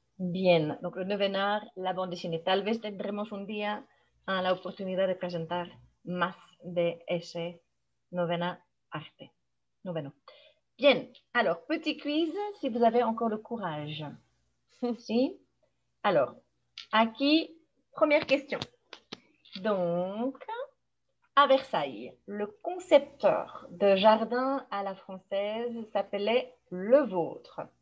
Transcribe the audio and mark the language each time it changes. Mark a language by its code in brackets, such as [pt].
[fr] Bien, donc le 9e art, la bande dessinée. [es] Tal vez tendremos un día la oportunidad de presentar más de ese 9e arte. Noveno. [fr] Bien, alors, petit quiz, si vous avez encore le courage. [es] Sí. [fr] Alors, [es] aquí, [fr] première question. Donc... À Versailles, le concepteur de jardin à la française s'appelait Le Vôtre.